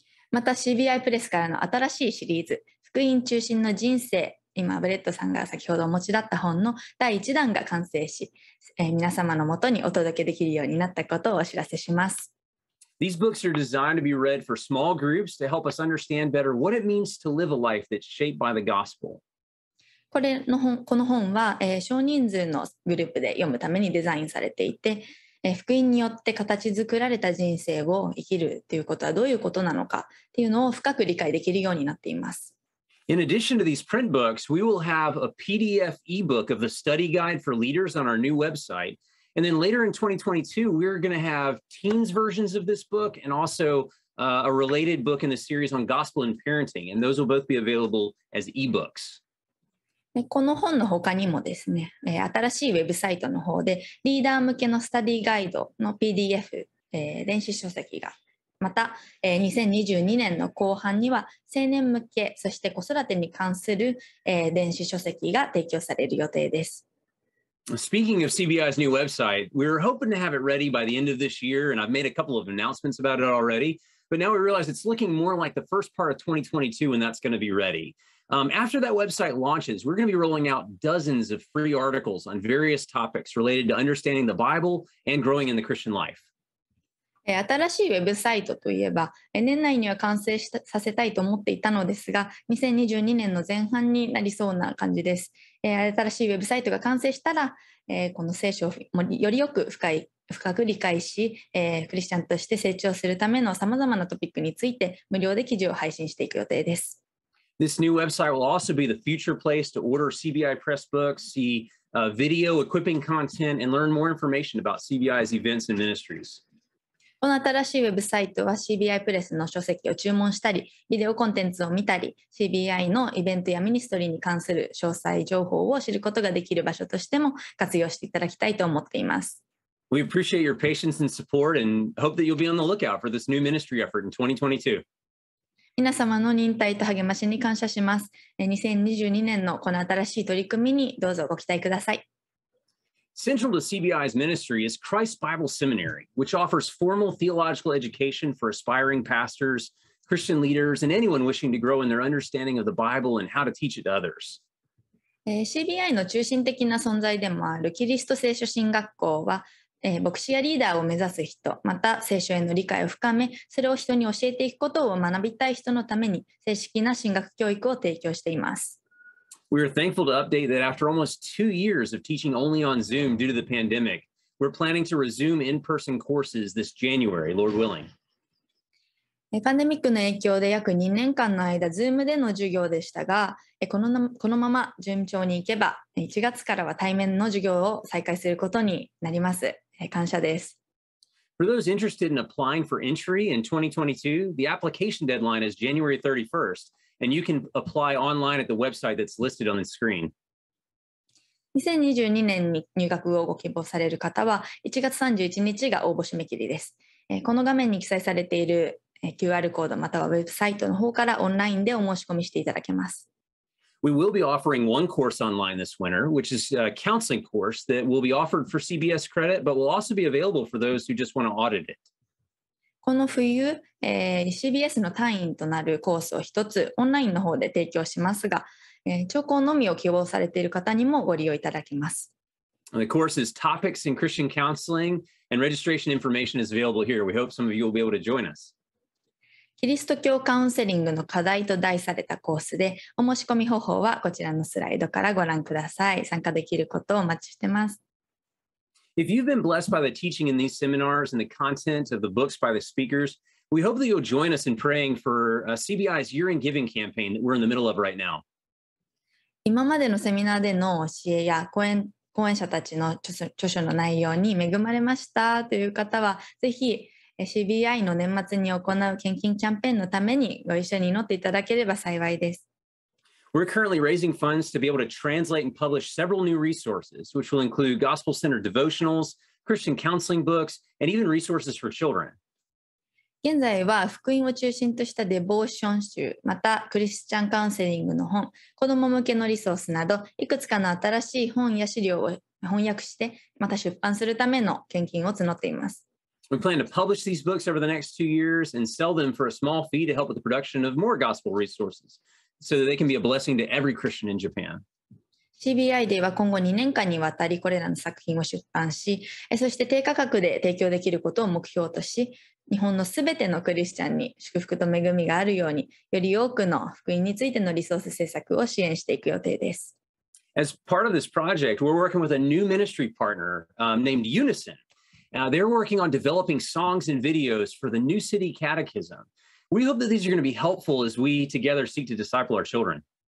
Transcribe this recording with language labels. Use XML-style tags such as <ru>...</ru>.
<ja>また CBI プレスからの新しいシリーズ、福音中心の人生、今ブレッドさんが先ほどお持ちだった本の第1弾が完成し、皆様のもとにお届けできるようになったことをお知らせします。</ja> <en>These books are designed to be read for small groups to help us understand better what it means to live a life that's shaped by the gospel.</en> <ja>この本は、少人数のグループで読むためにデザインされていて、福音によって形作られた人生を生きるということはどういうことなのかというのを深く理解できるようになっています。</ja> <en>In addition to these print books, we will have a PDF ebook of the study guide for leaders on our new website. And then later in 2022, we're going to have teens versions of this book and also a related book in the series on gospel and parenting. And those will both be available as ebooks.</en> <ja>この本の他にもですね、新しいウェブサイトの方でリーダー向けのスタディガイドの PDF、電子書籍が、また、2022年の後半には青年向け、そして子育てに関する、電子書籍が提供される予定です。</ja> <en>Speaking of CBI's new website, we're hoping to have it ready by the end of this year, and I've made a couple of announcements about it already, but now we realize it's looking more like the first part of 2022 when that's going to be ready. After that website launches, we're going to be rolling out dozens of free articles on various topics related to understanding the Bible and growing in the Christian life.</en> <ja>新しいウェブサイトといえば、年内には完成させたいと思っていたのですが、2022年の前半になりそうな感じです。新しいウェブサイトが完成したら、この聖書をよりよく深く理解し、クリスチャンとして成長するための様々なトピックについて無料で記事を配信していく予定です。</ja> <en>This new website will also be the future place to order CBI Press books, see video equipping content, and learn more information about CBI's events and ministries.</en> <ja>この新しいウェブサイトは CBI Press の書籍を注文したり、ビデオコンテンツを見たり、CBI のイベントやミニストリーに関する詳細情報を知ることができる場所としても活用していただきたいと思っています。</ja> <en>We appreciate your patience and support and hope that you'll be on the lookout for this new ministry effort in 2022.</en> <ja>皆様の忍耐と励ましに感謝します。2022年のこの新しい取り組みにどうぞご期待ください。</ja> <en>Central to CBI's ministry is Christ Bible Seminary, which offers formal theological education for aspiring pastors, Christian leaders, and anyone wishing to grow in their understanding of the Bible and how to teach it to others.</en> <ja>CBI の中心的な存在でもあるキリスト聖書神学校は、牧師やリーダーを目指す人、また聖書への理解を深め、それを人に教えていくことを学びたい人のために、正式な神学教育を提供しています。</ja> <en>We are thankful to update that after almost 2 years of teaching only on Zoom due to the pandemic, we're planning to resume in-person courses this January, Lord willing.</en> <ja>パンデミックの影響で約2年間の間、Zoom での授業でしたが、このまま順調にいけば、1月からは対面の授業を再開することになります。感謝です。</ja> <en>For those interested in applying for entry in 2022, the application deadline is January 31st, and you can apply online at the website that's listed on the screen.</en> <ja>2022年に入学をご希望される方は、1月31日が応募締め切りです。この画面に記載されているQR コードまたはウェブサイトの方からオンラインでお申し込みしていただけます。</ja> <en>We will be offering one course online this winter, which is a counseling course that will be offered for CBS credit, but will also be available for those who just want to audit it.</en> <ja>この冬、CBS の単位となるコースを一つオンラインの方で提供しますが、聴講のみを希望されている方にもご利用いただけます。</ja> <en>And the course is Topics in Christian Counseling, and registration information is available here. We hope some of you will be able to join us.</en> <ja>キリスト教カウンセリングの課題と題されたコースで、お申し込み方法はこちらのスライドからご覧ください。参加できることをお待ちしてます。</ja> <en>If you've been blessed by the teaching in these seminars and the content of the books by the speakers, we hope that you'll join us in praying for CBI's year-end giving campaign that we're in the middle of right now.</en> <ja>今までのセミナーでの教えや講演者たちの著書の内容に恵まれましたという方は、ぜひ CBI の年末に行う献金キャンペーンのためにご一緒に祈っていただければ幸いです。</ja> <en>We're currently raising funds to be able to translate and publish several new resources, which will include gospel-centered devotionals, Christian counseling books, and even resources for children.</en> <ja>現在は福音を中心としたデボーション集、またクリスチャンカウンセリングの本、子ども向けのリソースなど、いくつかの新しい本や資料を翻訳して、また出版するための献金を募っています。</ja> <en>We plan to publish these books over the next 2 years and sell them for a small fee to help with the production of more gospel resources. So that they can be a blessing to every Christian in Japan.</en> <ja>CBI では今後2年間にわたりこれらの作品を出版し、そして低価格で提供できることを目標とし、日本のすべてのクリスチャンに祝福と恵みがあるように、より多くの福音についてのリソース制作を支援していく予定です。</ja> <en>As part of this project, we're working with a new ministry partner, named Unison. Now, they're working on developing songs and videos for the New City Catechism. We hope that these are going to be helpful as we together seek to disciple our children.</en>